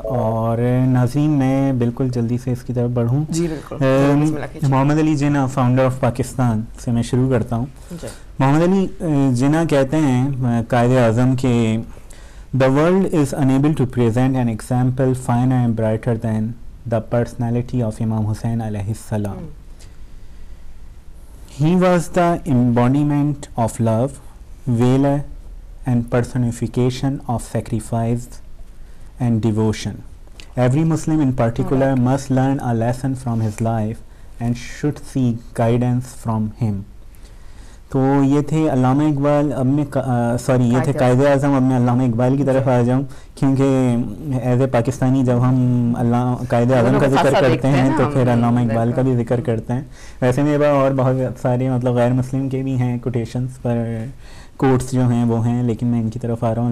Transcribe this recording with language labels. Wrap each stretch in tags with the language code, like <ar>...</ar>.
<ur>اور ناظرین میں بالکل جلدی سے اس کی طرف بڑھوں. جی بالکل. محمد علی جناح فاؤنڈر آف پاکستان سے میں شروع کرتا ہوں. محمد علی جناح کہتے ہیں قائد اعظم کے</ur> <en>The world is unable to present an example finer and brighter than the personality of Imam Hussain alayhi salam. Mm. He was the embodiment of love, valor and personification of sacrifice and devotion. Every Muslim in particular must learn a lesson from his life and should seek guidance from him.</en> <ur>تو یہ تھے علامہ اقبال. اب میں sorry یہ تھے قائد اعظم. اب میں علامہ اقبال کی طرف آ جاؤں، کیونکہ</ur> <en>as a Pakistani</en> <ur>جب ہم قائد اعظم کا ذکر کرتے ہیں تو پھر علامہ اقبال کا بھی ذکر کرتے ہیں. ویسے میرے پاس اور بہت سارے مطلب غیر مسلم کے بھی ہیں کوٹیشنس پر کوٹس جو ہیں وہ ہیں، لیکن میں ان کی طرف آ رہا ہوں.</ur>